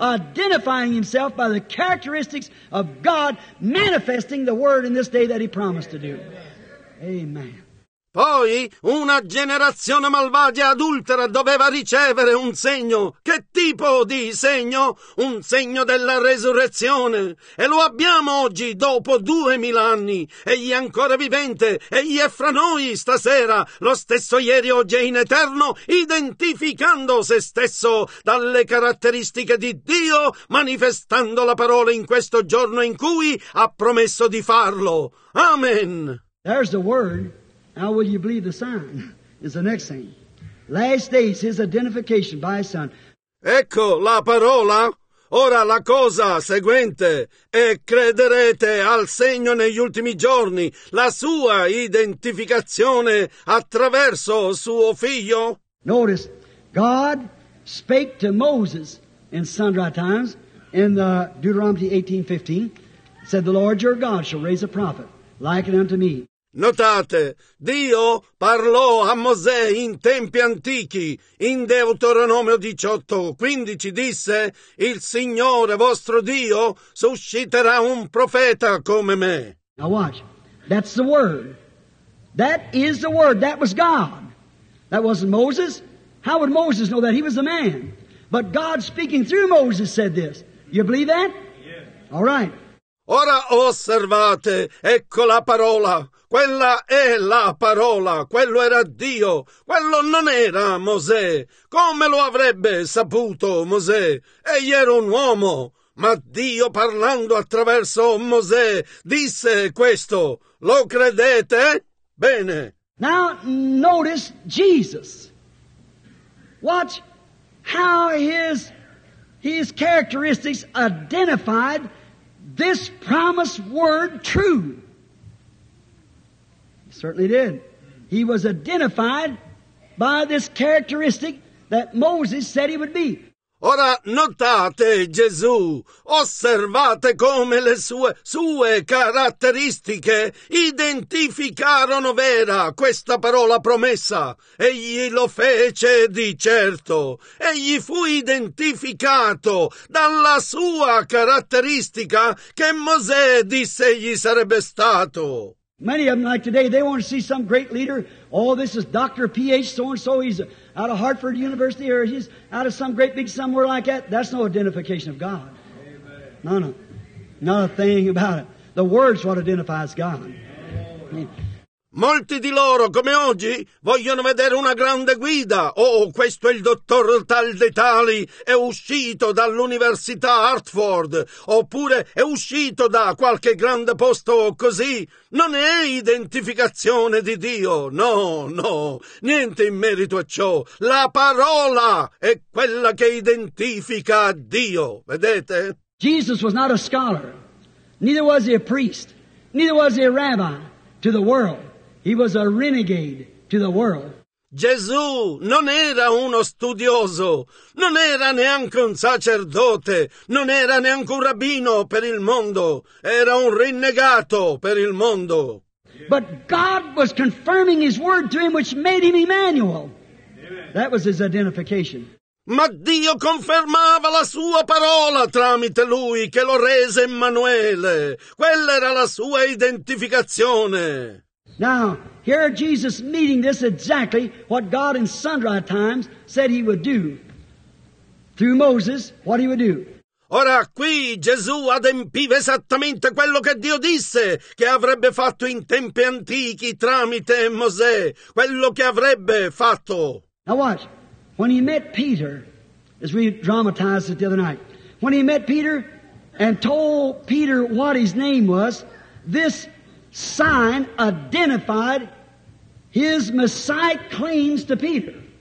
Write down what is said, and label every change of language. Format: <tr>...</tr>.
<en>Identifying himself by the characteristics of God, manifesting the word in this day that he promised to do. Amen.</en> <it>Poi una generazione malvagia adultera doveva ricevere un segno. Che tipo di segno? Un segno della resurrezione. E lo abbiamo oggi, dopo 2000 anni. Egli è ancora vivente. Egli è fra noi stasera. Lo stesso ieri, oggi e in eterno, identificando se stesso dalle caratteristiche di Dio, manifestando la parola in questo giorno in cui ha promesso di farlo. Amen.</it> <en>There's the word. How will you believe the sign? Is the next thing. Last days, his identification by his son.</en> <it>Ecco la parola. Ora la cosa seguente è: crederete al segno negli ultimi giorni, la sua identificazione attraverso suo figlio?</it> <en>Notice, God spake to Moses in sundry times in the Deuteronomy 18:15, said, "The Lord your God shall raise a prophet like unto me."</en> <it>Notate, Dio parlò a Mosè in tempi antichi, in Deuteronomio 18:15 disse: "Il Signore vostro Dio susciterà un profeta come me."</it> <en>Now watch, that's the word. That is the word. That was God. That wasn't Moses. How would Moses know that? He was a man. But God speaking through Moses said this. You believe that? Yeah. All right.</en> <it>Ora osservate, ecco la parola. Quella è la parola, quello era Dio, quello non era Mosè. Come lo avrebbe saputo Mosè? Egli era un uomo, ma Dio parlando attraverso Mosè disse questo. Lo credete? Bene.</it> <en>Now notice Jesus. Watch how his characteristics identified this promised word true. Certainly did. He was identified by this characteristic that Moses said he would be.</en> <it>Ora notate Gesù, osservate come le sue caratteristiche identificarono vera questa parola promessa. Egli lo fece di certo. Egli fu identificato dalla sua caratteristica che Mosè disse gli sarebbe stato.</it> <en>Many of them, like today, they want to see some great leader. Oh, this is Dr. P.H. so-and-so. He's out of Hartford University, or he's out of some great big somewhere like that. That's no identification of God. Amen. No, no. Not a thing about it. The Word's what identifies God. Amen.</en> <it>Molti di loro, come oggi, vogliono vedere una grande guida. Oh, questo è il dottor tal dei tali, è uscito dall'università Hartford, oppure è uscito da qualche grande posto così. Non è identificazione di Dio, no, no, niente in merito a ciò. La parola è quella che identifica Dio, vedete?</it> <en>Jesus was not a scholar, neither was he a priest, neither was he a rabbi to the world. He was a renegade to the world.</en> <it>Gesù non era uno studioso, non era neanche un sacerdote, non era neanche un rabbino per il mondo, era un rinnegato per il mondo.</it> <en>But God was confirming his word to him, which made him Emmanuel. That was his identification.</en> <it>Ma Dio confermava la sua parola tramite lui che lo rese Emmanuele. Quella era la sua identificazione.</it> <en>Now, here Jesus meeting this exactly what God in sundry times said he would do. Through Moses, what he would do.</en> <it>Ora qui Gesù adempiva esattamente quello che Dio disse che avrebbe fatto in tempi antichi tramite Mosè. Quello che avrebbe fatto.</it> <en>Now watch. When he met Peter, as we dramatized it the other night, when he met Peter and told Peter what his name was, this sign identified his Messiah claims to Peter.</en>